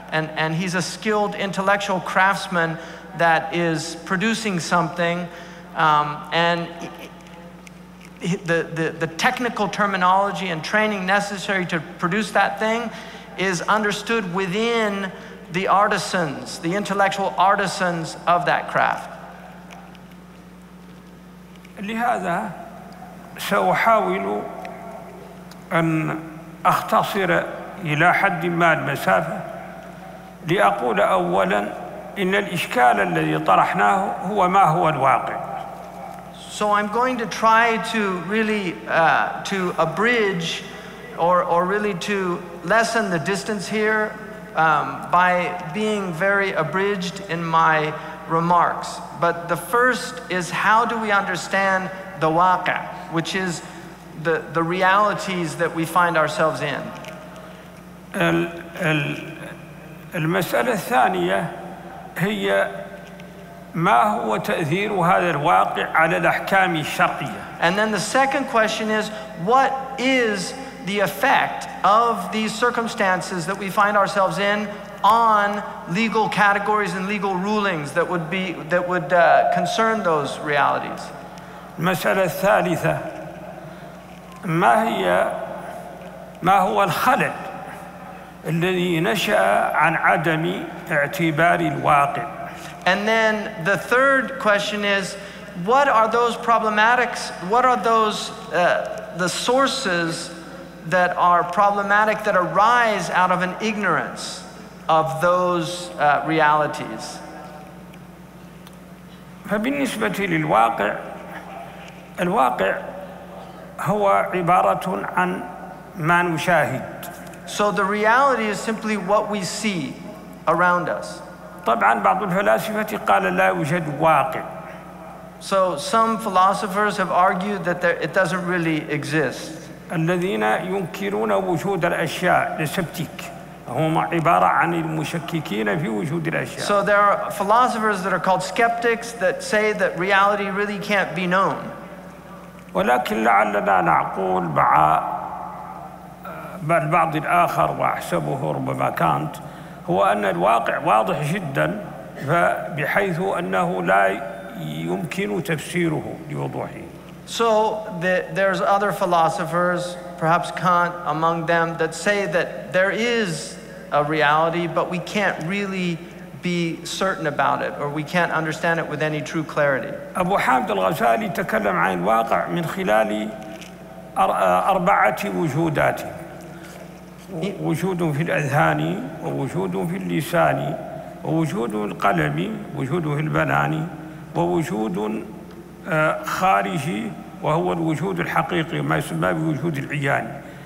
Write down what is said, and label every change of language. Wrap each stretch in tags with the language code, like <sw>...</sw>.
<en>and he's a skilled intellectual craftsman that is producing something, and the technical terminology and training necessary to produce that thing is understood within the artisans, the intellectual artisans of that craft.</en> <ar>لهذا سأحاول أن أختصر إلى حد ما المسافة لأقول أولا إن الإشكال الذي طرحناه هو ما هو الواقع.</ar> <en>So I'm going to try to really to abridge or really to lessen the distance here by being very abridged in my remarks. But the first is, how do we understand the waqa, which is the realities that we find ourselves in?</en> <ar>المسألة الثانية هي ما هو تأثير هذا الواقع على الأحكام الشرعية.</ar> <en>And then the second question is, what is the effect of these circumstances that we find ourselves in on legal categories and legal rulings that would be that would concern those realities?</en> <ar>المسألة الثالثة ما هي ما هو الخلل الذي نشأ عن عدم اعتبار الواقع.</ar> <en>And then the third question is, what are those problematics? What are those the sources that are problematic that arise out of an ignorance of those realities?</en> <ar>فبالنسبة للواقع، الواقع هو عبارة عن ما نشاهد.</ar> <en>So the reality is simply what we see around us.</en> <ar>طبعاً بعض الفلاسفة قال لا يوجد واقع.</ar> <en>So some philosophers have argued that there, it doesn't really exist.</en> <ar>الذين ينكرون وجود الأشياء لسبتيك. هم عبارة عن المشككين في وجود الأشياء.</ar> <en>So there are philosophers that are called skeptics that say that reality really can't be known.</en> <ar>ولكن لعلنا نعقول مع البعض الآخر وأحسبه ربما كانت هو أن الواقع واضح جدا بحيث أنه لا يمكن تفسيره لوضوحه.</ar> <en>So there's other philosophers, perhaps Kant among them, that say that there is a reality, but we can't really be certain about it, or we can't understand it with any true clarity.</en> <ar>أبو حامد الغزالي تكلم عن الواقع من خلال أربعة وجودات: وجود في الأذهان، ووجود في اللسان، ووجود القلم، وجود في البنان، ووجود خارجي وهو الوجود الحقيقي ما يسمى بوجود العيان.</ar>